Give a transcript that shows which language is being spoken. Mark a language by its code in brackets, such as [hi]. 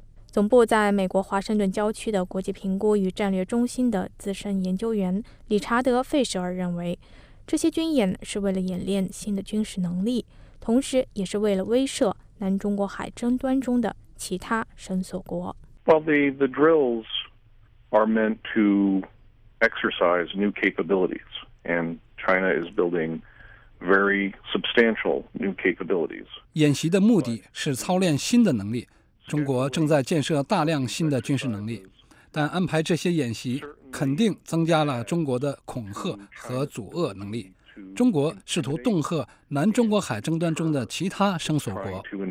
[zh] 总部在美国华盛顿郊区的国际评估与战略中心的资深研究员理查德·费舍尔认为，这些军演是为了演练新的军事能力，同时也是为了威慑南中国海争端中的其他绳索国。 [en] Well, the drills are meant to exercise new capabilities, and China is building very substantial new capabilities. [zh] 演习的目的是操练新的能力，中国正在建设大量新的军事能力，但安排这些演习肯定增加了中国的恐吓和阻遏能力。中国试图恫吓南中国海争端中的其他绳索国。